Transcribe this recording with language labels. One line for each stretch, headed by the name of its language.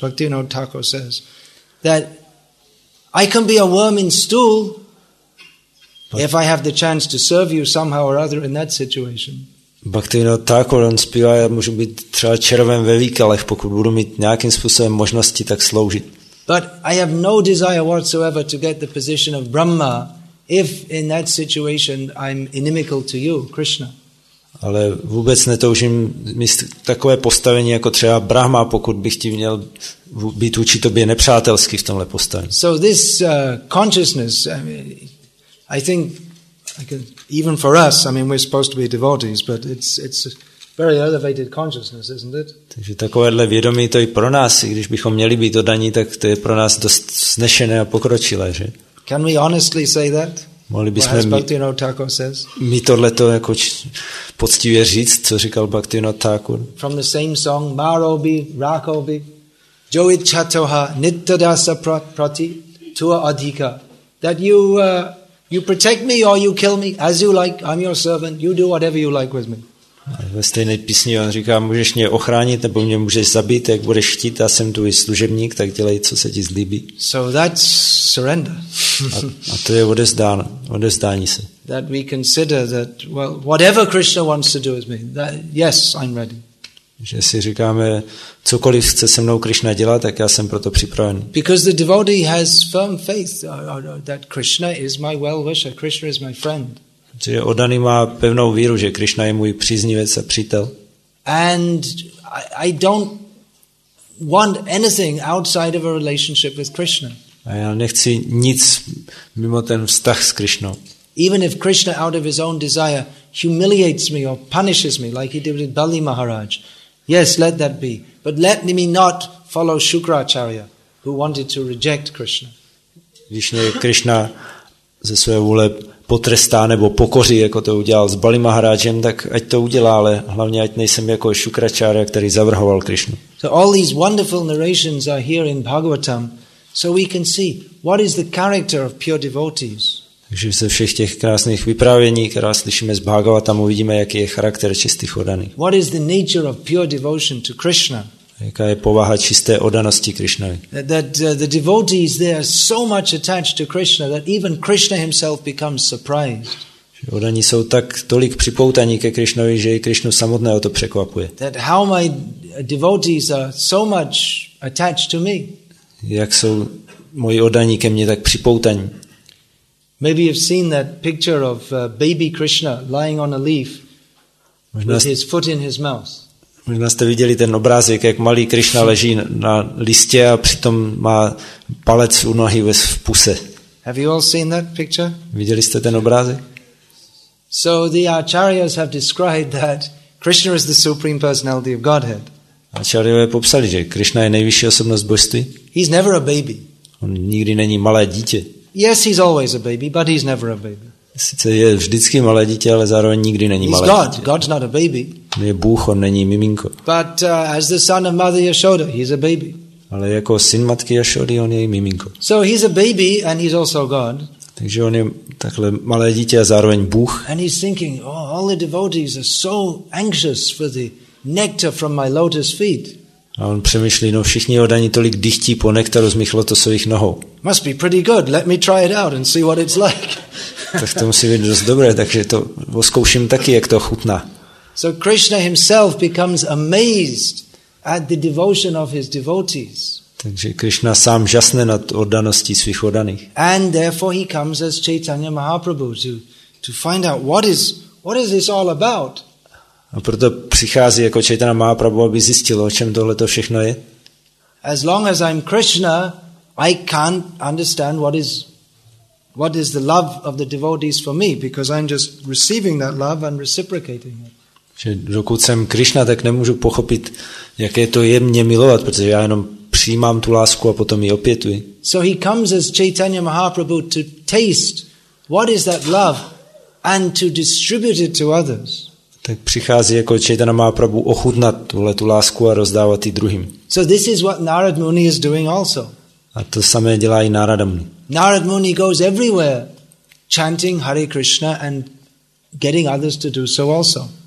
English: Bhaktivinoda Thakur says that I can be a worm in stool if I have the chance to serve you somehow or other in that situation.
Czech: Bhaktivinoda Thakur, on zpívá, já můžu být třeba červem ve výkalech, pokud budu mít nějakým způsobem možnosti tak sloužit.
English: But I have no desire whatsoever to get the position of Brahma if in that situation I'm inimical to you, Krishna.
Czech: Ale vůbec netoužím mít takové postavení jako třeba Brahma, pokud bych ti měl být vůči tobě nepřátelský v tomhle postavení.
English: So this consciousness, I mean, I think I can, even for us, I mean, we're supposed to be devotees, but it's very elevated consciousness, isn't it?
Czech: Takže takovéhle vědomí to i pro nás, i když bychom měli být oddaní, tak to je pro nás dost vznešené a pokročilé, že?
English: Can we honestly say that?
Czech: Mohli bychom mi tohle to jako poctivě říct, co říkal Bhaktivinoda Thakur?
English: From the same song,
Bangla: Marobi, Rakobi, Joit Chatoha, Nittadasa Prati, Tua Adhika,
English: that you protect me or you kill me, as you like, I'm your servant, you do whatever you like with me.
Czech: Ve stejné písni on říká, můžeš mě ochránit nebo mě můžeš zabít, jak budeš chtít, já jsem tvůj služebník, tak dělej, co se ti zlíbí.
English: So that's surrender.
Czech: A to je odevzdání se.
English: That we consider that, well, whatever Krishna wants to do with me, that, yes, I'm ready.
Czech: Že si říkáme, cokoliv chce se mnou Krishna dělat, tak já jsem proto připraven.
English: Because the devotee has firm faith that Krishna is my well-wisher, Krishna is my friend.
Czech: Protože oddaný má pevnou víru, že Krišna je můj příznivec a přítel.
English: And I don't want anything outside of a relationship with Krishna.
Czech: A já nechci nic mimo ten vztah s Krišnou.
English: Even if Krishna out of his own desire humiliates me or punishes me like he did with Bali Maharaj. Yes, let that be. But let me not follow Shukracharya who wanted to reject Krishna.
Czech: Když mě Krišna ze své vůle potrestá nebo pokoří, jako to udělal s Bali Maharajem, tak ať to udělá, ale hlavně ať nejsem jako Shukracharya, který zavrhoval Krishnu.
English: So all these wonderful narrations are here in Bhagavatam, so we can see what is the character of pure devotees.
Czech: Takže ze všech těch krásných vyprávění, která slyšíme z Bhagavatam, uvidíme, jaký je charakter čistých oddaných.
English: What is the nature of pure devotion to Krishna?
Czech: Jaká je povaha čisté oddanosti Krišnovi?
English: That the devotees they are so much attached to Krishna that even Krishna himself becomes surprised.
Czech: Že oddaní jsou tak tolik připoutaní ke Krišnovi, že i Krišnu samotného to překvapuje.
English: That how my devotees are so much attached to me.
Czech: Jak jsou moji oddaní ke mně tak připoutaní?
English: Maybe you've seen that picture of baby Krishna lying on a leaf with his foot in his mouth.
Czech: Možná jste viděli ten obrázek, jak malý Krišna leží na listě a přitom má palec u nohy ve puse.
English: Have you all seen that picture?
Czech: Viděli jste ten obrázek?
English: So the acharyas have described that Krishna is the supreme personality of Godhead.
Czech: Acharyové popsali, že Krishna je nejvyšší osobnost božství.
English: He's never a baby.
Czech: On nikdy není malé dítě.
English: Yes, he's always a baby, but he's never a baby.
Czech: Sice je vždycky malé dítě, ale zároveň nikdy není malé dítě.
English: He's God. God's not a baby.
Czech: On je Bůh, on není miminko.
English: But as the son of Mother Yashoda, he's a baby.
Czech: Ale jako syn matky Yashody, on je i miminko.
English: So he's a baby and he's also God.
Czech: Takže on je takhle malé dítě a zároveň Bůh.
English: And he's thinking, oh, all the devotees are so anxious for the nectar from my lotus feet.
Czech: A on přemýšlí, no všichni oddaní tolik dychtí po nektaru z mých lotosových nohou.
English: Must be pretty good. Let me try it out and see what it's like.
Czech: Tak to musí být dost dobré, takže to zkouším taky, jak to chutná.
English: So Krishna himself becomes amazed at the devotion of his devotees.
Czech: Takže Krishna sám žasne nad oddaností svých oddaných.
English: And therefore he comes as Chaitanya Mahaprabhu to find out what is this all about.
Czech: A proto přichází jako Chaitanya Mahaprabhu, aby zjistil, o čem tohle to všechno je.
English: As long as I'm Krishna, I can't understand what is the love of the devotees for me, because I'm just receiving that love and reciprocating it.
Czech: Že dokud jsem Krishna, tak nemůžu pochopit, jaké to je mě milovat, protože já jenom přijímám tu lásku a potom ji opětuji.
English: So he comes as Chaitanya Mahaprabhu to taste what is that love and to distribute it to others.
Czech: Tak přichází jako Chaitanya Mahaprabhu ochutnat tuhle tu lásku a rozdávat ji druhým.
English: So this is what Narad Muni is doing also.
Czech: A to samé dělá i Narada Muni.
English: Narad Muni goes everywhere chanting Hare Krishna and getting others to do so also.